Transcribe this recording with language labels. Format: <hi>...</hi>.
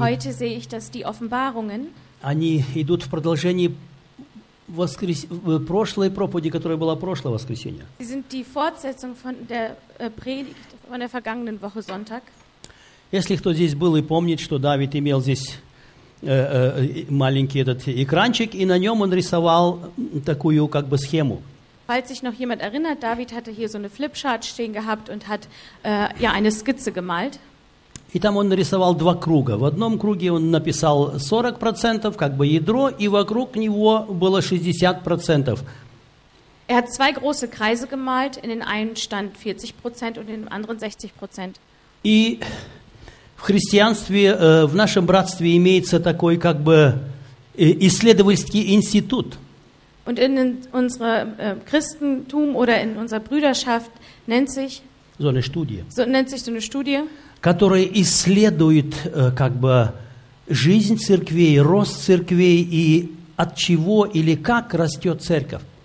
<de>Heute sehe ich, dass die Offenbarungen,</de> <ru>они идут в продолжении прошлой проповеди, которая была прошлое воскресенье.</ru> <de>Sie sind die Fortsetzung von der Predigt von der vergangenen Woche Sonntag.</de> <ru>Если кто здесь был и помнит, что Давид имел здесь маленький этот экранчик, и на нем он рисовал такую как бы схему.</ru> <de>Falls sich noch jemand erinnert, David hatte hier so eine Flipchart stehen gehabt und hat ja eine Skizze gemalt.</de> <ru>И там он нарисовал два круга. В одном круге он написал 40% как бы ядро, и вокруг него было 60%.</ru> <de>Er hat zwei große Kreise gemalt. In den einen stand 40% und in den anderen 60%.</de> <ru>И в христианстве, в нашем братстве имеется такой как бы исследовательский институт.</ru> <de>Und in unserem Christentum oder in unserer Brüderschaft nennt sich so eine Studie. So nennt sich so eine Studie,</de> <ru>которая исследует как бы жизнь церквей, рост церквей и от чего или как растет церковь.</ru>